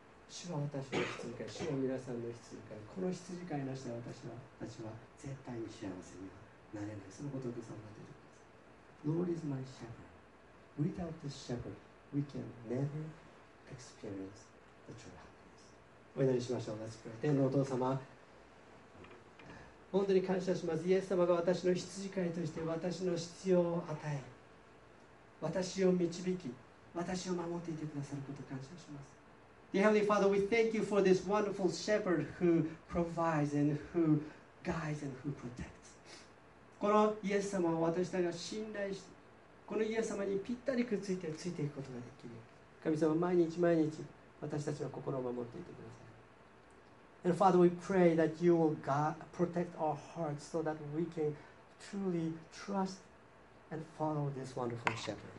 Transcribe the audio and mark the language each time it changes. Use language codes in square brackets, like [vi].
[ja] 主は私の羊飼い、主は皆さんの羊飼い、この羊飼いなしで私は絶対に幸せにはなれない。そのことを言ってる。 [en] Lord is my shepherd. Without this shepherd, we can never experience the true happiness. [ja] お祈りしましょう。 [en] Let's pray. [ja] 天のお父様、本当に感謝します。イエス様が私の羊飼いとして私の必要を与え、私を導き、私を守っていてくださることを感謝します。 [en] Dear Heavenly Father, we thank you for this wonderful shepherd who provides and who guides and who protects. [ja] このイエス様を私たちが信頼して、このイエス様にぴったりくっついてついていくことができる。神様、毎日毎日私たちの心を守っていてください。 [en] And Father, we pray that you will protect our hearts so that we can truly trust and follow this wonderful shepherd.